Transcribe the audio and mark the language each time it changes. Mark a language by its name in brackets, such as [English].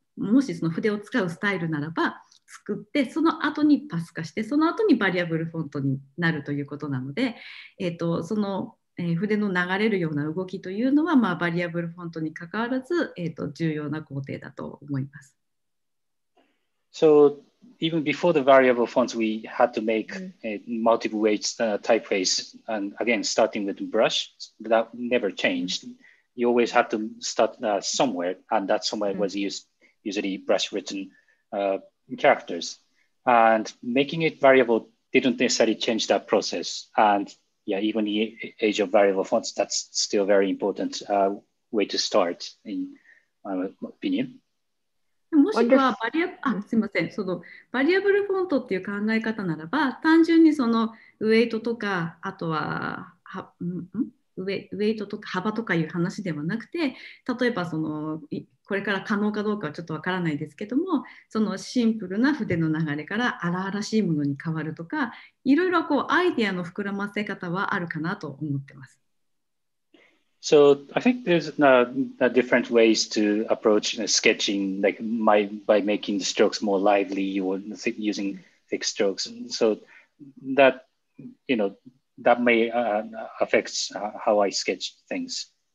[Japanese] もしその筆を使うスタイルならば作って、その後にパス化して、その後にバリアブルフォントになるということなので、その筆の流れるような動きというのは、まあ、バリアブルフォントに関わらず、重要な工程だと思います。 [English] So even before the variable fonts, we had to make multiple weights typeface, and again starting with the brush. That never changed. You always had to start somewhere, and that somewhere was usually brush written characters. And making it variable didn't necessarily change that process. And yeah, even the age of variable fonts, that's still a very important way to start, in my opinion. [Japanese] もしくはバリア、あ、すみません、そのバリアブルフォントっていう考え方ならば、単純にそのウェイトとか、あとは、ウェイトとか幅とかいう話ではなくて、例えばそのこれから可能かどうかはちょっとわからないですけども、そのシンプルな筆の流れから荒々しいものに変わるとか、いろいろこうアイデアの膨らませ方はあるかなと思ってます。 [English] So I think there's different ways to approach sketching, like by making the strokes more lively or using thick strokes, so that, you know,that may affect how I sketch things.